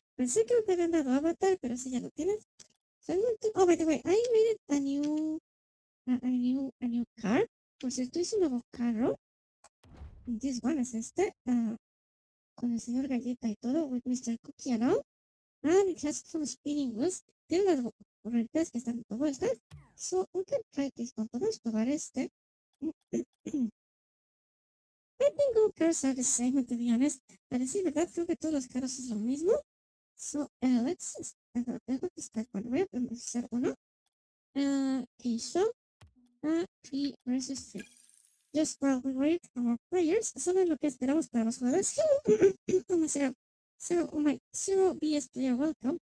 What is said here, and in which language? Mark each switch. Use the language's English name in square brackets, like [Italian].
[Spanish] Pensé que no te habían dado avatar, pero sí, ya lo tienes. [English] Oh, by the way, I made it a new car. [Spanish] Por cierto, hice un nuevo carro. [English] This one [Spanish] es este. Con el señor Galleta y todo, [English] with Mr.Cookie and all. And it has some spinning wheels. [Spanish] Tiene las ruedas que están de vuelta. [English] So, we can try this one. [Spanish] Podemos probar este. [English] I think all cars are the same, to be honest. [Spanish] Pero sí, ¿verdad? Creo que todos los carros es lo mismo. [English] So, let's start one. [Spanish] Voy a empezar uno. [English] Okay, so, three versus three. Just while we wait for our players, [Spanish] solo lo que esperamos para los jugadores. [English] Hello, zero BS player, welcome.